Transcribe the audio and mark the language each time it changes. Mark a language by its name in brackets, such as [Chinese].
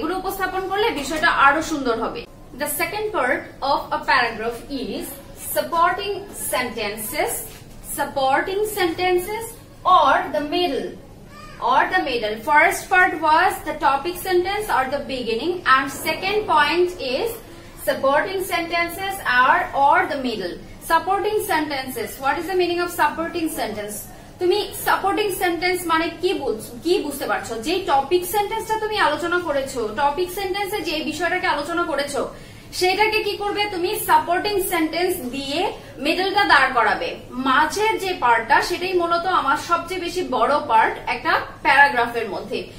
[Bangla] এগুলো উপস্থাপন করলে বিষয়টা আরো সুন্দর হবে। [English] The second part of a paragraph is supporting sentences, supporting sentences or the middle, or the middle. First part was the topic sentence or the beginning, and second point is supporting sentences are or the middle. supporting sentences, what is the meaning of supporting sentence? [Bangla] তুমি supporting sentence মানে কি বুঝছো, কি বুঝতে পারছো? যে topic sentence টা তুমি আলোচনা করেছো, topic sentence এ যে বিষয়টাকে আলোচনা করেছো সেটাকে কি করবে তুমি সাপোর্টিং সেন্টেন্স দিয়ে মিডলটা দাঁড় করাবে। মাঝের যে পার্টটা সেটাই মূলত আমার সবচেয়ে বেশি বড় পার্ট একটা প্যারাগ্রাফের মধ্যে।